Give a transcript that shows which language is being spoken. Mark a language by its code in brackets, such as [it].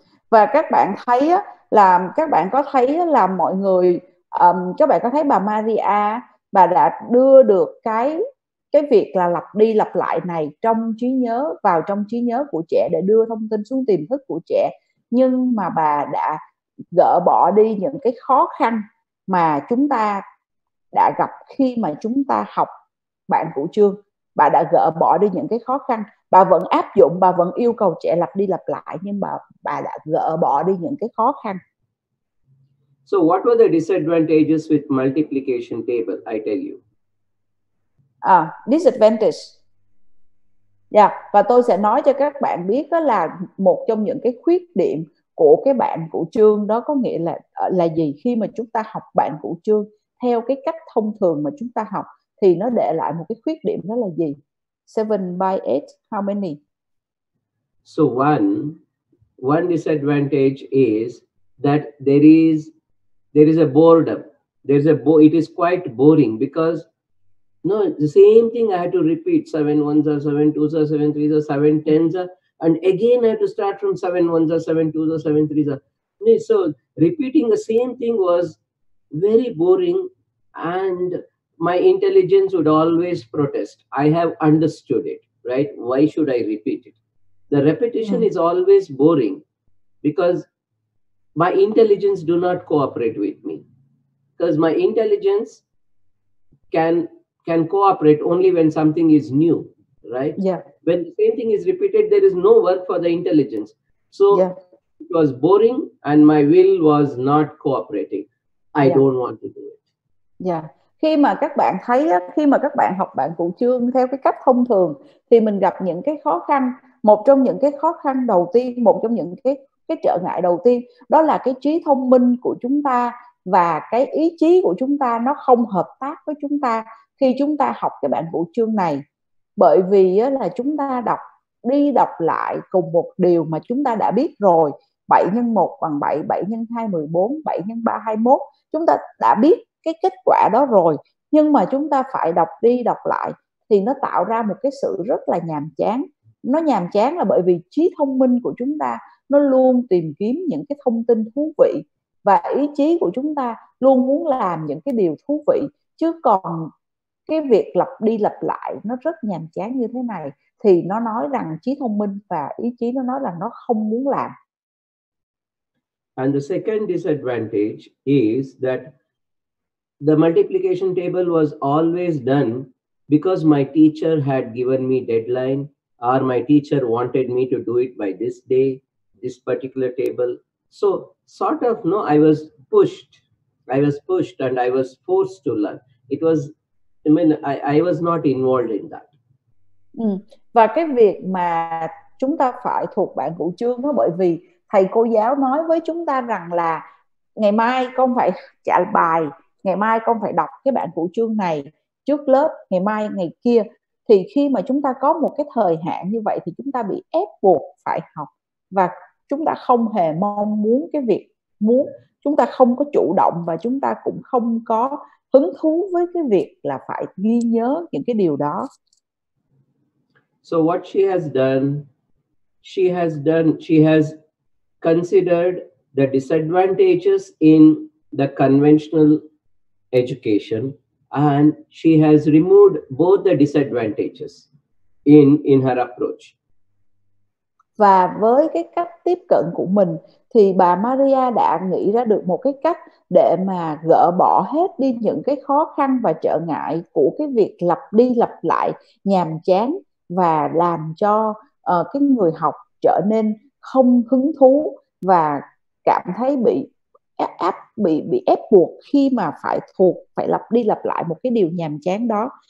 [vi] Và các bạn thấy á, là các bạn có thấy là mọi người, các bạn có thấy bà Maria, bà đã đưa được cái việc là lặp đi lặp lại này trong trí nhớ, vào trong trí nhớ của trẻ để đưa thông tin xuống tiềm thức của trẻ, nhưng mà bà đã gỡ bỏ đi những cái khó khăn mà chúng ta đã gặp khi mà chúng ta học bản cụ chương. Bà đã gỡ bỏ đi những cái khó khăn, bà vẫn áp dụng, bà vẫn yêu cầu trẻ lặp đi lặp lại, nhưng mà bà đã gỡ bỏ đi những cái khó khăn. [en] So what were the disadvantages with multiplication table, I tell you? Disadvantage. [vi] Yeah, và tôi sẽ nói cho các bạn biết đó là một trong những cái khuyết điểm của cái bảng cụ chương đó có nghĩa là gì khi mà chúng ta học bảng cụ chương theo cái cách thông thường mà chúng ta học thì nó để lại một cái khuyết điểm đó là gì? [en] 7 by 8, how many? So one disadvantage is that there is a boredom. It is quite boring because the same thing I had to repeat. 7 ones are 7 twos are 7 threes are 7 tens are, and again I had to start from 7 ones are 7 twos are 7 threes are. So repeating the same thing was very boring, and my intelligence would always protest. I have understood it, right? Why should I repeat it? The repetition is always boring because my intelligence do not cooperate with me. Because my intelligence can cooperate only when something is new, right? Yeah. When the same thing is repeated, there is no work for the intelligence. So it was boring and my will was not cooperating. I don't want to do it. Yeah. [vi] Khi mà các bạn thấy, khi mà các bạn học bảng cụ chương theo cái cách thông thường thì mình gặp những cái khó khăn. Một trong những cái khó khăn đầu tiên, một trong những cái trở ngại đầu tiên đó là cái trí thông minh của chúng ta và cái ý chí của chúng ta nó không hợp tác với chúng ta khi chúng ta học cái bảng cụ chương này. Bởi vì là chúng ta đọc đi đọc lại cùng một điều mà chúng ta đã biết rồi. 7 x 1 bằng 7, 7 x 2 14, 7 x 3 21. Chúng ta đã biết cái kết quả đó rồi, nhưng mà chúng ta phải đọc đi đọc lại thì nó tạo ra một cái sự rất là nhàm chán. Nó nhàm chán là bởi vì trí thông minh của chúng ta nó luôn tìm kiếm những cái thông tin thú vị và ý chí của chúng ta luôn muốn làm những cái điều thú vị, chứ còn cái việc lặp đi lặp lại nó rất nhàm chán như thế này thì nó nói rằng trí thông minh và ý chí nó nói là nó không muốn làm. [en] And the second disadvantage is that the multiplication table was always done because my teacher had given me deadline, or my teacher wanted me to do it by this day, this particular table. So sort of, no, I was pushed and I was forced to learn. It was, I was not involved in that. [vi] Và cái việc mà chúng ta phải thuộc bảng cụ chương đó bởi vì thầy cô giáo nói với chúng ta rằng là ngày mai con phải trả bài, ngày mai con phải đọc cái bản cụ chương này trước lớp, ngày mai ngày kia. Thì khi mà chúng ta có một cái thời hạn như vậy thì chúng ta bị ép buộc phải học, và chúng ta không hề mong muốn cái việc muốn, chúng ta không có chủ động và chúng ta cũng không có hứng thú với cái việc là phải ghi nhớ những cái điều đó. [en] So what she has done, she has considered the disadvantages in the conventional education, and she has removed both the disadvantages in her approach. [vi] Và với cái cách tiếp cận của mình thì bà Maria đã nghĩ ra được một cái cách để mà gỡ bỏ hết đi những cái khó khăn và trở ngại của cái việc lặp đi lặp lại nhàm chán và làm cho cái người học trở nên không hứng thú và cảm thấy bị ép buộc khi mà phải lặp đi lặp lại một cái điều nhàm chán đó.